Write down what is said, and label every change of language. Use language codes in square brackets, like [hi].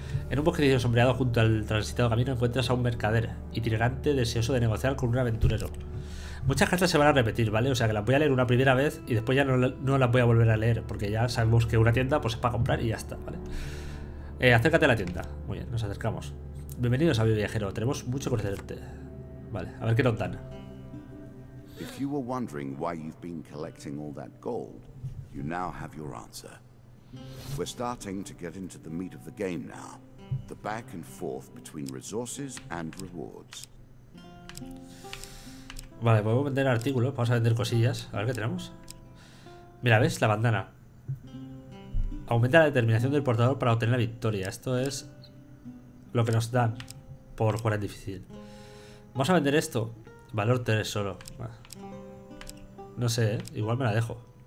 [es] En un bosque sombreado junto al transitado camino encuentras a un mercader itinerante deseoso de negociar con un aventurero. Muchas cartas se van a repetir, ¿vale? O sea que las voy a leer una primera vez y después ya no las voy a volver a leer, porque ya sabemos que una tienda pues es para comprar y ya está, ¿vale? Acércate a la tienda. Muy bien, nos acercamos. Bienvenidos a Viajero, tenemos mucho por hacerte. Vale, a ver qué nos dan. [en] If you were wondering why you've been collecting all that gold, you now have your answer. We're starting to get into the meat of the game now. The back and forth between resources and rewards. [es] Vale, podemos vender artículos, vamos a vender cosillas, a ver qué tenemos. Mira, ¿ves? La bandana. Aumenta la determinación del portador para obtener la victoria. Esto es lo que nos dan por jugar en difícil. Vamos a vender esto. Valor 3 solo. No sé, ¿eh? Igual me la dejo.